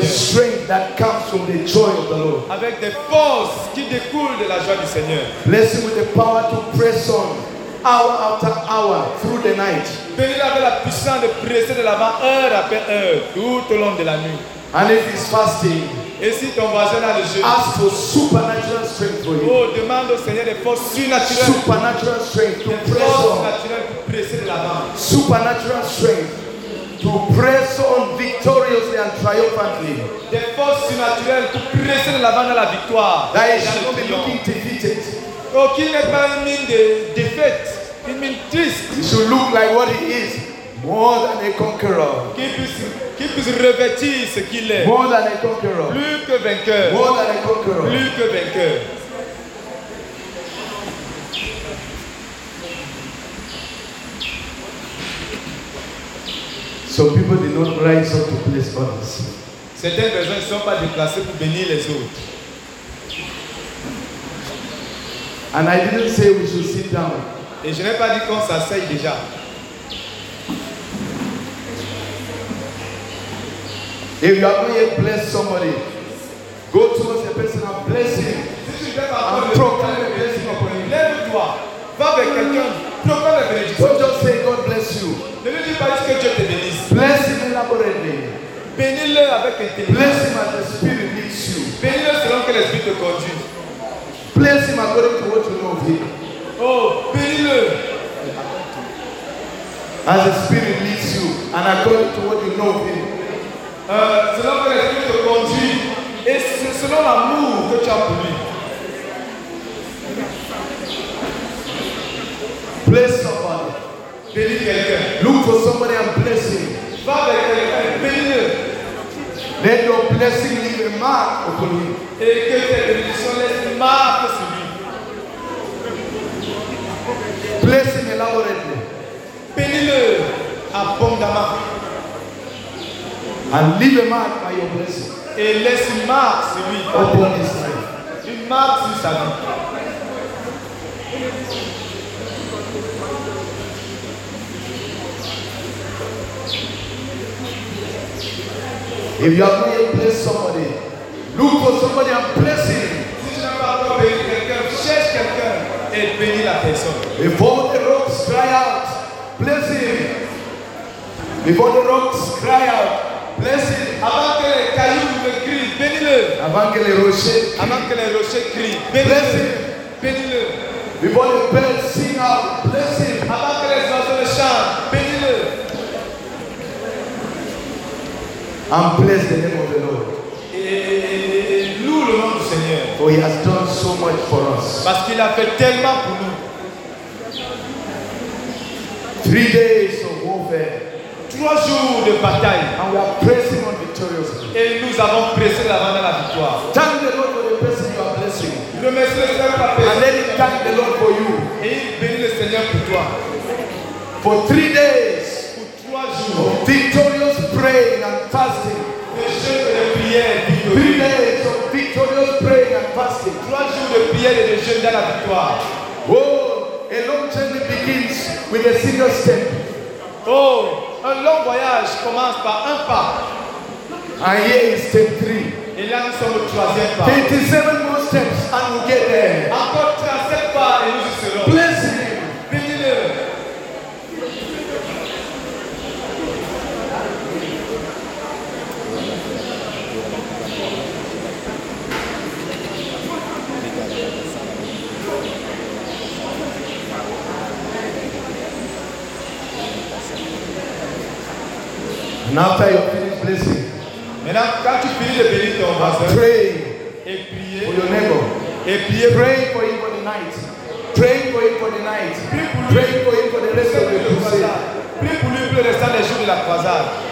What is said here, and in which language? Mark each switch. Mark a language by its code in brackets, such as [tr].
[en] The strength that comes from the joy of the Lord. [fr] Avec des forces qui découlent de la joie du Seigneur. [en] Blessing with the power to press on hour after hour through the night. [fr] Béni avec la puissance de presser de l'avant heure après heure tout au long de la nuit. [en] And if it's fasting, [fr] et si ton voisin a le jeûne, [en] ask for supernatural strength for you. [fr] Oh, demande au Seigneur des forces surnaturelles. [en] Supernatural strength to press on. Supernatural strength to press on victoriously and triumphantly. [fr] Des forces surnaturelles pour presser de l'avant dans la victoire. [en] That it should not be looking defeated. [fr] Aucune n'est pas une mine de défaite, une mine triste. [en] It should look like what it is. More than a conqueror. [fr] Qui puisse revêtir ce qu'il est. [en] More than a conqueror. [fr] Plus que vainqueur. [en] More than a conqueror. [fr] Plus que vainqueur. [en] Some people did not rise up to bless others. [fr] Certaines personnes ne sont pas déplacées pour bénir les autres. [en] And I didn't say we should sit down. [fr] Et je n'ai pas dit qu'on s'asseye déjà. [en] If you have not yet blessed somebody, go towards the person and bless him. And proclaim the blessing upon him. [fr] Lève-toi. Va vers quelqu'un. [en] Proclaim the blessing. Don't just say God bless you. [fr] Ne lui dis pas que Dieu te bénisse. [en] Bless him elaborately. [fr] Bénis-le avec intelligence. [en] Bless him as the Spirit leads you. [fr] Bénis-le selon que l'Esprit te conduit. [en] Bless him according to what you know of him. [fr] Oh, bénis-le. [en] As the Spirit leads you and according to what you know of him. [fr] Selon que l'Esprit te conduit et selon l'amour que tu as pour lui. [en] Bless somebody. [fr] Bénis quelqu'un. [en] Look for somebody and bless him. [fr] Va vers quelqu'un et bénis-le. [en] Let your blessing leave a mark upon him. [fr] Et que tes bénédictions laissent une marque sur lui. [en] Bless him elaborately. [fr] Bénis-le abondamment. [en] And leave a mark by your blessing. [fr] Et laisse une marque sur lui. [en] Upon his life. [fr] Une marque sur sa vie. [en] If you have not blessed somebody, look for somebody and bless him. [fr] Si tu n'as pas encore béni quelqu'un, cherche quelqu'un et bénis la personne. [en] Before the rocks cry out, bless him. Before the rocks cry out, bless him. [fr] Avant que les cailloux me crient, bénis-le. Avant que les rochers crient. Avant que les rochers crient, bénis-le. [en] Bless him. [fr] Bénis-le. [en] Before the birds sing out, bless him. [fr] Avant que les oiseaux chantent, bénis-le. [en] And bless the name of the Lord. [fr] Et loue le nom du Seigneur. [en] For he has done so much for us. [fr] Parce qu'il a fait tellement pour nous. [en] 3 days of warfare. [fr] 3 jours de bataille. [en] And we are pressing on victoriously. [fr] Et nous avons pressé l'avant dans la victoire. [en] Thank the Lord for the person you are blessing. [fr] Remercie le Seigneur pour la personne. [en] And let him thank the Lord for you. [fr] Et il bénit le Seigneur pour toi. [en] For 3 days. [fr] Pour 3 jours. [en] Of victorious praying and fasting. [fr] Le jeûne et de prière. [en] 3 days of victorious praying and fasting. [fr] 3 jours de prière et de jeûne dans la victoire. [en] Oh, a long journey begins with a single step. [fr] Oh. Un long voyage commence par un pas. [en] And here is step 3. [fr] Et là nous sommes au troisième pas. [en] 37 more steps and we'll get there. [fr] Encore 37 pas et nous y serons. [en] Bless him. [fr] Bénis-le. [en] And after you finish blessing, [fr] maintenant quand tu finis de bénir ton voisin, [en] pray [fr] et prier [en] for your neighbor, [fr] et prier [en] pray for him for the night, pray for him for the night, pray for him for the rest of the crusade, [fr] prie pour lui pour le restant des jours de la croisade.